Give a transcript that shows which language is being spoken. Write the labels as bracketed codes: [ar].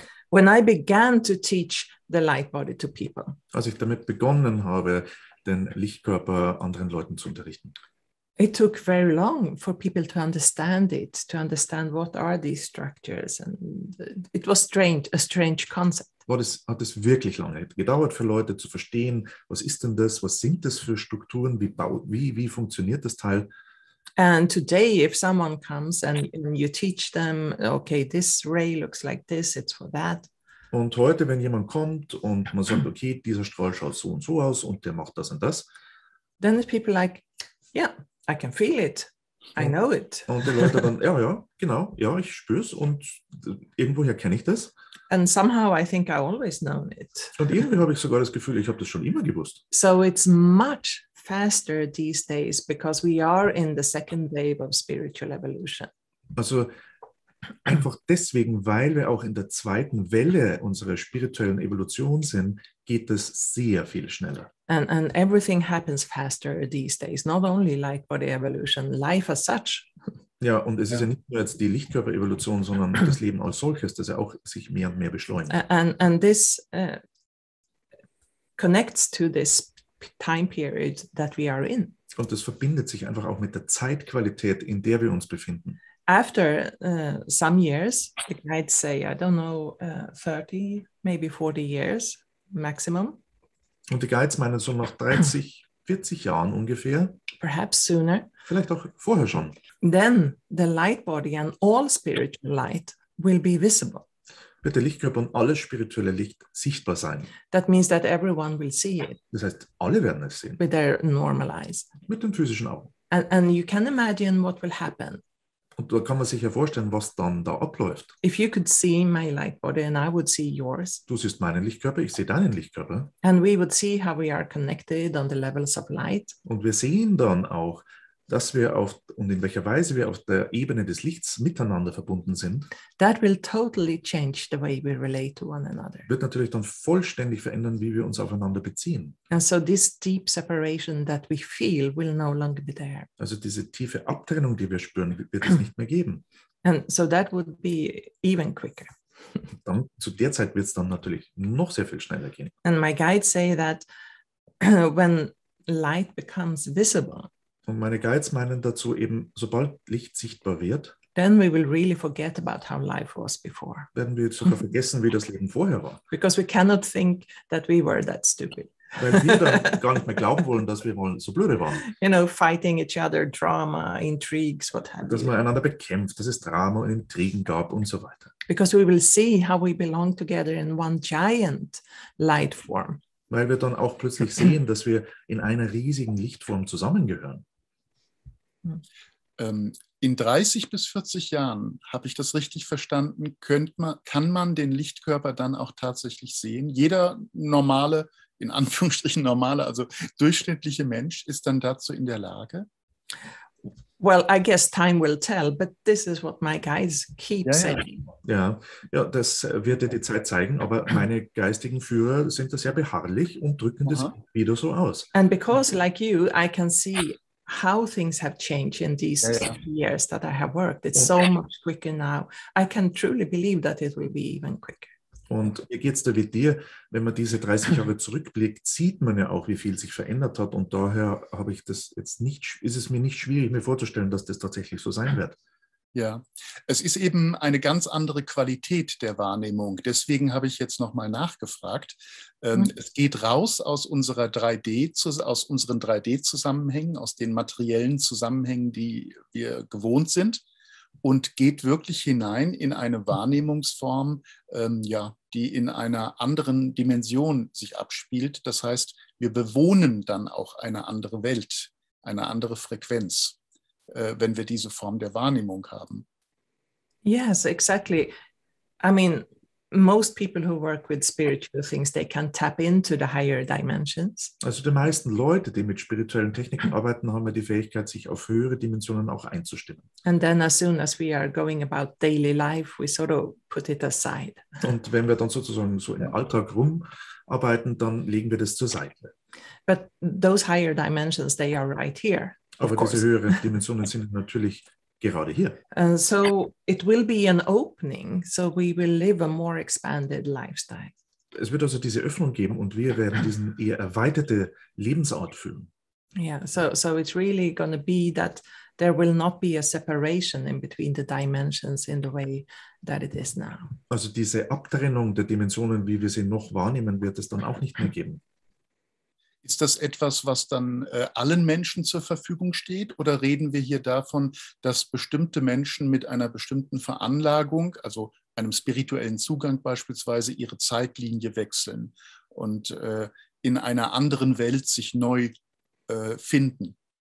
[en] When I began to teach the light body to people. [de] Als ich damit begonnen habe, den Lichtkörper anderen Leuten zu unterrichten. [en] It took very long for people to understand it, to understand what are these structures, and it was strange, a strange concept. [de] Hat es wirklich lange gedauert für Leute zu verstehen, was ist denn das, was sind das für Strukturen, wie funktioniert das Teil? [en] And today, if someone comes and you teach them, okay, this ray looks like this, it's for that. [de] Und heute, wenn jemand kommt und man sagt, okay, dieser Strahl schaut so und so aus und der macht das und das. [en] Then the people like, yeah, I can feel it, I know it. [de] Und die Leute dann, ja, genau, ja, ich spür's und irgendwoher kenne ich das. [en] And somehow I think I always known it. [de] Und irgendwie habe ich sogar das Gefühl, ich habe das schon immer gewusst. [en] So it's much faster these days because we are in the second wave of spiritual evolution. [de] Also einfach deswegen, weil wir auch in der zweiten Welle unserer spirituellen Evolution sind, geht es sehr viel schneller. [en] And everything happens faster these days, not only like body evolution, life as such. [de] Ja, und es ist ja nicht nur jetzt die Lichtkörperevolution, sondern das Leben als solches, das ja auch sich mehr und mehr beschleunigt. [en] And this connects to this time period that we are in. [de] Und das verbindet sich einfach auch mit der Zeitqualität, in der wir uns befinden. [en] After some years, I'd say, I don't know, 30, maybe 40 years maximum. [de] Und die Guides meinen so nach 30, 40 Jahren ungefähr. [en] Perhaps sooner. [de] Vielleicht auch vorher schon. [en] Then the light body and all spiritual light will be visible. [de] Wird der Lichtkörper und alles spirituelle Licht sichtbar sein. [en] That means that everyone will see it. [de] Das heißt, alle werden es sehen. [en] With their normal eyes. [de] Mit dem physischen Auge. [en] And you can imagine what will happen. [de] Und da kann man sich ja vorstellen, was dann da abläuft. [en] If you could see my light body and I would see yours. [de] Du siehst meinen Lichtkörper, ich sehe deinen Lichtkörper. [en] And we would see how we are connected on the levels of light. [de] Und wir sehen dann auch, dass wir auf und in welcher Weise wir auf der Ebene des Lichts miteinander verbunden sind. [en] That will totally change the way we relate to one another. [de] Wird natürlich dann vollständig verändern, wie wir uns aufeinander beziehen. [en] And so this deep separation that we feel will no longer be there. [de] Also diese tiefe Abtrennung, die wir spüren, wird es nicht mehr geben. [en] And so that would be even quicker. [de] Dann, zu der Zeit wird es dann natürlich noch sehr viel schneller gehen. [en] And my guides say that when light becomes visible. [de] Und meine Guides meinen dazu eben, sobald Licht sichtbar wird, [en] then we will really forget about how life was before. [de] Werden wir sogar vergessen, wie das Leben vorher war. [en] Because we cannot think that we were that stupid. [de] Weil wir dann gar nicht mehr glauben wollen, dass wir mal so blöde waren. [en] You know, fighting each other, drama, intrigues, what have [de] dass [en] you. [de] Man einander bekämpft, dass es Drama und Intrigen gab und so weiter. [en] Because we will see how we belong together in one giant light form. [de] Weil wir dann auch plötzlich sehen, dass wir in einer riesigen Lichtform zusammengehören. In 30 bis 40 Jahren, habe ich das richtig verstanden, kann man den Lichtkörper dann auch tatsächlich sehen? Jeder normale, in Anführungsstrichen normale, also durchschnittliche Mensch ist dann dazu in der Lage? [en] Well, I guess time will tell, but this is what my guides keep saying. [de] Ja, das wird ja die Zeit zeigen, aber meine geistigen Führer sind da sehr beharrlich und drücken das wieder so aus. [en] And because, like you, I can see how things have changed in these years that I have worked. It's so much quicker now. I can truly believe that it will be even quicker. [de] Und wie geht es da mit dir? Wenn man diese 30 Jahre zurückblickt, sieht man ja auch, wie viel sich verändert hat. Und daher habe ich das jetzt nicht, ist es mir nicht schwierig, mir vorzustellen, dass das tatsächlich so sein wird. Ja, es ist eben eine ganz andere Qualität der Wahrnehmung. Deswegen habe ich jetzt nochmal nachgefragt. Es geht raus aus unserer 3D, aus unseren 3D-Zusammenhängen, aus den materiellen Zusammenhängen, die wir gewohnt sind. Und geht wirklich hinein in eine Wahrnehmungsform, die in einer anderen Dimension sich abspielt. Das heißt, wir bewohnen dann auch eine andere Welt, eine andere Frequenz, wenn wir diese Form der Wahrnehmung haben. [en] Yes, exactly. I mean, most people who work with spiritual things, they can tap into the higher dimensions. [de] Also die meisten Leute, die mit spirituellen Techniken arbeiten, haben ja die Fähigkeit, sich auf höhere Dimensionen auch einzustimmen. [en] And then as soon as we are going about daily life, we sort of put it aside. [de] Und wenn wir dann sozusagen so im Alltag rumarbeiten, dann legen wir das zur Seite. [en] But those higher dimensions, they are right here. [de] Aber diese höheren Dimensionen sind natürlich gerade hier. [en] And so it will be an opening, so we will live a more expanded lifestyle. [de] Es wird also diese Öffnung geben und wir werden diesen eher erweiterte Lebensart fühlen. [en] Yeah, so it's really going to be that there will not be a separation in between the dimensions in the way that it is now. [de] Also diese Abtrennung der Dimensionen, wie wir sie noch wahrnehmen, wird es dann auch nicht mehr geben. Ist das etwas, was dann allen Menschen zur Verfügung steht? Oder reden wir hier davon, dass bestimmte Menschen mit einer bestimmten Veranlagung, also einem spirituellen Zugang beispielsweise, ihre Zeitlinie wechseln und in einer anderen Welt sich neu finden?